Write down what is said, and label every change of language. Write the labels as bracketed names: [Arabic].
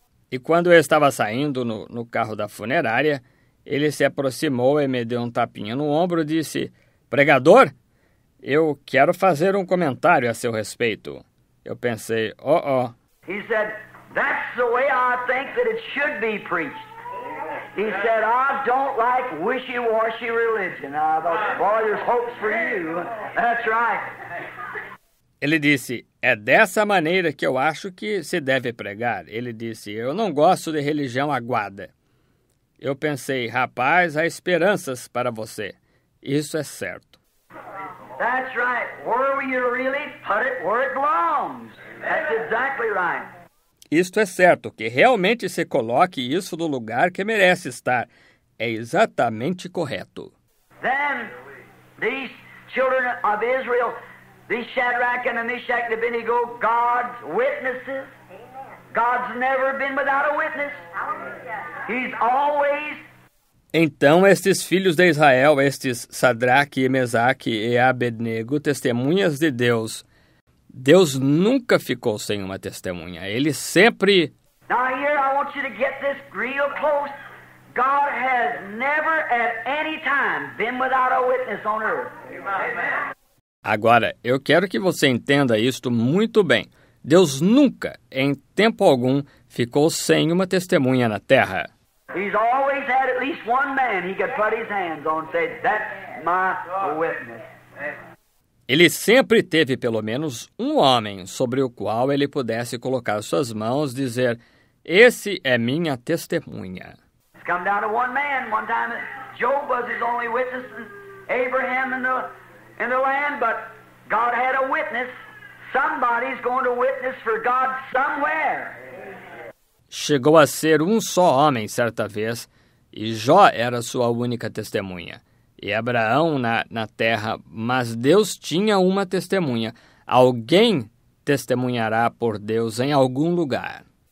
[Portuguese] E quando eu estava saindo no carro da funerária, ele se aproximou e me deu um tapinha no ombro e disse, "Pregador, eu quero fazer um comentário a seu respeito." Eu pensei, "Oh." [English] He said, "That's the way I think that it should be preached." He said, "I don't like wishy-washy religion. Boy, there's hopes for you." That's right. [Portuguese] Ele disse, "É dessa maneira que eu acho que se deve pregar." Ele disse, "Eu não gosto de religião aguada." Eu pensei, "Rapaz, há esperanças para você. Isso é certo." [English] That's right. Where will you really put it where it belongs? That's exactly right. [Portuguese] Isto é certo, que realmente se coloque isso no lugar que merece estar. É exatamente correto. [English] Then, these children of Israel, these Shadrach and Meshach and Abednego, God's witnesses. God's never been without a witness. He's always... [Portuguese] Então, estes filhos de Israel, estes Sadraque, Mesaque e Abednego, testemunhas de Deus... Deus nunca ficou sem uma testemunha. Ele sempre... [English] Now here I want you to get this real close. God has never at any time been without a witness on earth. [Portuguese] Agora, eu quero que você entenda isto muito bem. Deus nunca, em tempo algum, ficou sem uma testemunha na Terra. [English] He's always had at least one man he could put his hands on and say, "That's my witness." [Portuguese] Ele sempre teve pelo menos um homem sobre o qual ele pudesse colocar suas mãos e dizer, "Esse é minha testemunha." [English] Come down to one man, one time Job was his only witness, and Abraham in the land, but God had a witness. Somebody's going to witness for God somewhere. [Portuguese] Chegou a ser um só homem certa vez, e Jó era sua única testemunha. E Abraão na terra, mas Deus tinha uma testemunha. Alguém testemunhará por Deus em algum lugar.